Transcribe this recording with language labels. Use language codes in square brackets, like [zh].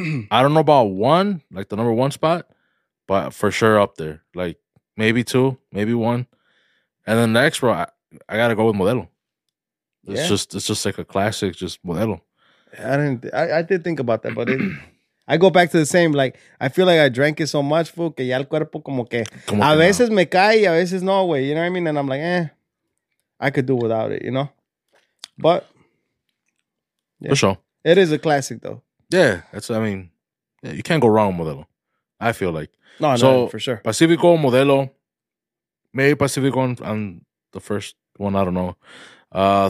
[en] I don't know about one, like the number one spot, but for sure up there. Like maybe two, maybe one. And then next, bro, I got to go with Modelo. It's just like a classic, just Modelo. I did think about that, but I go back to the same. Like, I feel like I drank it so much, fool, [es] que ya el cuerpo como que... A veces me cae, a veces no, güey. [en] You know what I mean? And I'm like, eh, I could do without it, you know? But... Yeah. For sure. It is a classic, though. Yeah. I mean, you can't go wrong with Modelo, I feel like. No, for sure. Pacifico, Modelo. Maybe Pacifico on the first one, I don't know.